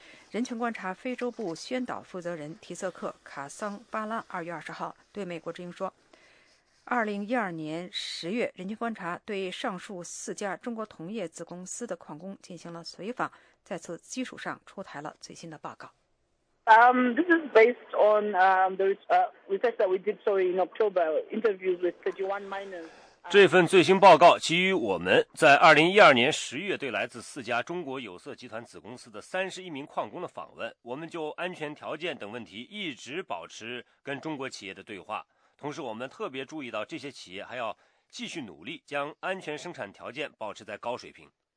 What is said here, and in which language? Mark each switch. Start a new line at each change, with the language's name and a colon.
Chinese: 人权观察非洲部宣导负责人提瑟克·卡桑巴拉2月20号对美国之音说，2012年10月，人权观察对上述4家中国铜业子公司的矿工进行了随访，在此基础上出台了最新的报告。
English: This is based on the research that we did in October, interviews with 31 miners.
Chinese: 这份最新报告基于我们在2012年10月对来自4家中国有色集团子公司的31名矿工的访问，我们就安全条件等问题一直保持跟中国企业的对话。同时我们特别注意到这些企业还要继续努力将安全生产条件保持在高水平。